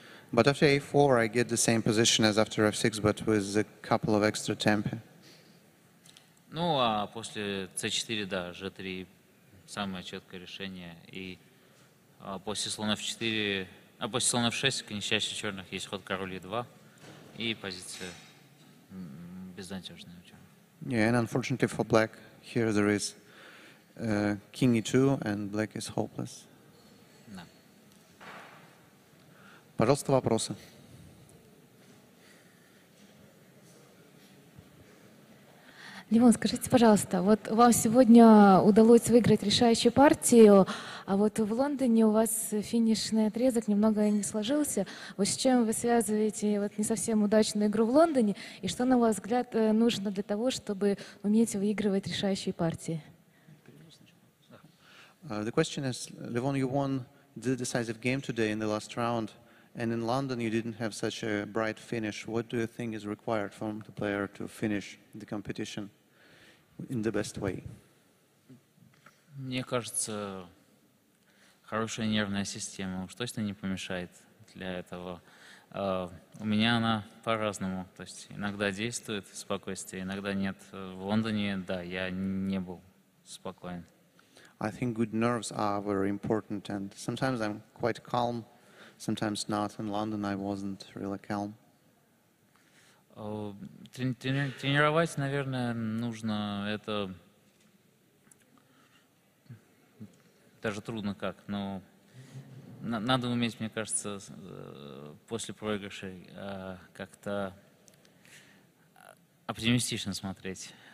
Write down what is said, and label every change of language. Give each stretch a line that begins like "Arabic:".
English: But after a4, I get the same position as after f6, but with a couple of extra tempi.
Russian: Ну, а после c4, да, g3 самое четкое решение. И после слона f4, а после слона f6, к несчастью черных, есть ход король e2 и позиция безнадежная у черных.
English: Yeah, and unfortunately for black, here there is king e2, and black is hopeless.
Russian: Пожалуйста, вопросы. Левон, скажите, пожалуйста, вот вам сегодня удалось выиграть решающую партию, а вот в Лондоне у вас финишный отрезок немного не сложился. Вот с чем вы связываете вот не совсем удачную игру в Лондоне, и что, на ваш взгляд, нужно для того, чтобы уметь выигрывать решающие партии?
English: The question is, Levon, you won the decisive game today in the last round. And in London, you didn't have such a bright finish. What do you think is required from the player to finish the competition in the best way?
Russian: Мне кажется, хорошая нервная система уж точно не помешает для этого. У меня она по-разному, то есть иногда действует спокойствие, иногда нет. В Лондоне, да, я не был спокоен.
English: I think good nerves are very important, and sometimes I'm quite calm. Sometimes not. In London, I wasn't really calm.
Russian: Тренировать, наверное, нужно это даже трудно как, но надо уметь, мне кажется, после проигрышей как-то оптимистично смотреть.